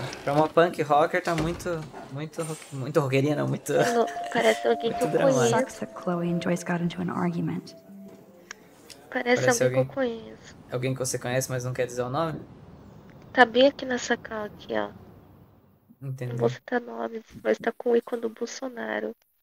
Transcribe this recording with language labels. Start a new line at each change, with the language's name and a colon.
Portuguese: Pra uma punk rocker, tá muito roqueirinha, não, muito... Parece alguém que eu conheço.
English: Sucks that Chloe and Joyce got into an argument.
Portuguese: Parece alguém que eu conheço. Alguém que você conhece, mas não quer dizer o nome? Tá bem aqui nessa cal aqui, ó. Entendi. Não vou citar nomes, mas tá com o ícone do Bolsonaro.